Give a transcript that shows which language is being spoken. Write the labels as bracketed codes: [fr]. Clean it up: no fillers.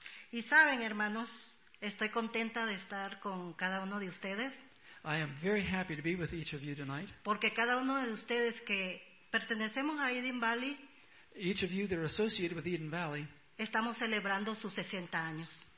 [es] Y saben, hermanos, estoy contenta de estar con cada uno de ustedes. [en] I am very happy to be with each of you tonight. [es] Porque cada uno de ustedes que pertenecemos a Eden Valley, [en] each of you that are associated with Eden Valley, [es] estamos celebrando sus 60 años.